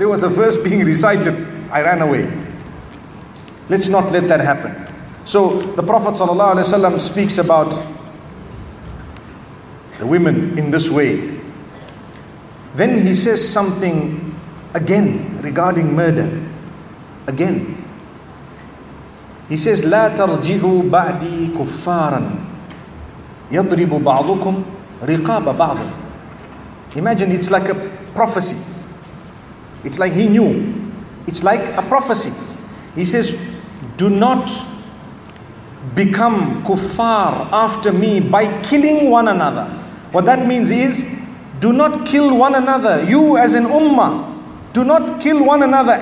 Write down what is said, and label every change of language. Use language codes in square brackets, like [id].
[en] There was a verse being recited. I ran away. Let's not let that happen. So the Prophet ﷺ speaks about the women in this way. Then he says something again regarding murder. Again. He says, [ar] لَا تَرْجِعُوا بَعْدِي كُفَّارًا يَضْرِبُ بَعْضُكُمْ رِقَابَ بَعْضٍ. [en] Imagine it's like a prophecy. It's like he knew. It's like a prophecy. He says, do not become kuffar after me by killing one another. What that means is, do not kill one another. You as an ummah, do not kill one another.